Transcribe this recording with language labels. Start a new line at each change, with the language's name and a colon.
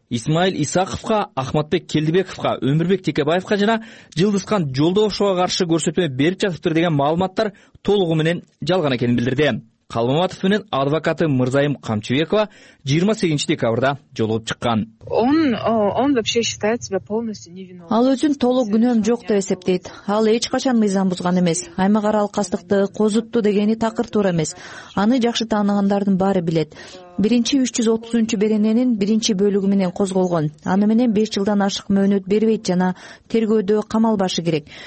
Kyrgyz: Исмаил Исаковго, Ахматбек Келдибековго, Өмүрбек Текебаевго жана Жылдызкан Жолдошовго каршы көрсөтмө берип жатыптыр деген маалыматтар толугу менен жалган экенин билдирди. Калмаматов менен адвокаты Мырзайым Камчыбекова 28 декабрда жолугуп чыккан.
Russian: Он вообще считает себя полностью невиновным.
Kyrgyz: Ал өзүн толук күнөөм жок деп эсептейт. Ал эч качан мыйзам бузган эмес. Аймак аралык астыкты козутту дегени такыр туура эмес. Аны жакшы таанагандардын баары билет. 1330 берененин 1 бөлүгү менен козголгон. Аны менен 5 жылдан ашык мөөнөт бербейт жана тергөөдө камалбашы керек.